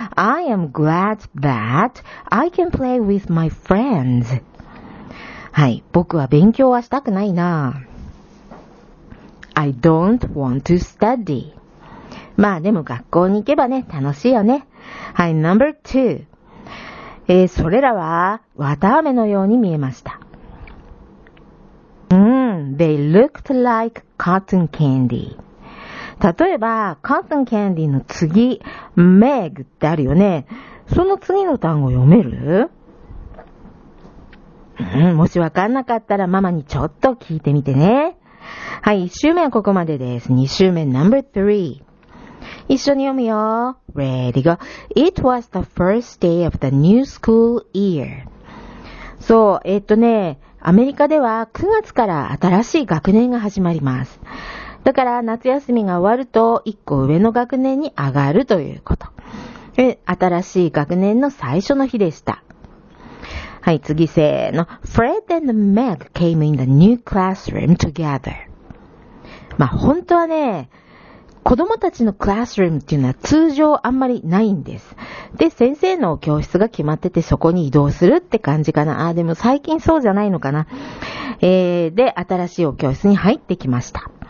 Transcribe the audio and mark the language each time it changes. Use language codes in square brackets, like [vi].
[en] I am glad that I can play with my friends. [ja] はい。僕は勉強はしたくないな。 [en] I don't want to study. [ja] まあでも学校に行けばね、楽しいよね。 [en] はい。Number two. [ja] それらは綿飴のように見えました。 [en] They looked like cotton candy. [ja] 例えば、カットンキャンディの次、メグってあるよね。その次の単語読める？もしわかんなかったらママにちょっと聞いてみてね。はい、1週目はここまでです。 2週目 [en] number 3。 [ja] 一緒に読むよ。 [en] Ready go. It was the first day of the new school year. [ja] そう、アメリカでは9月から新しい学年が始まります。だから夏休みが終わると1個上の学年に上がるということ。新しい学年の最初の日でした。はい、次せーの。 [en] Fred and Meg came in the new classroom together. [ja] まあ本当はね、子供たちのクラスルームっていうのは通常あんまりないんです。で、先生の教室が決まっててそこに移動するって感じかな。あ、でも最近そうじゃないのかな。で、新しいお教室に入ってきました。